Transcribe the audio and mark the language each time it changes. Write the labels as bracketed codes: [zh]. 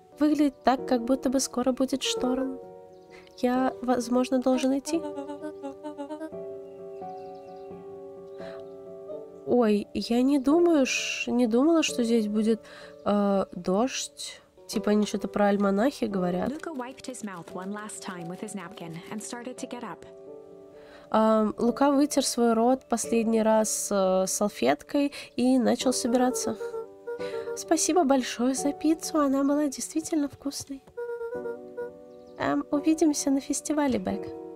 [ru] Выглядит так, как будто бы скоро будет шторм. Я, возможно, должен идти. Ой, я не думала, что здесь будет дождь. Типа они что-то про альманахи говорят. [en] Лука wiped his mouth one last time with his napkin and started to get up. [ru] Лука вытер свой рот последний раз салфеткой и начал собираться. Спасибо большое за пиццу, она была действительно вкусной. Увидимся на фестивале, Бек.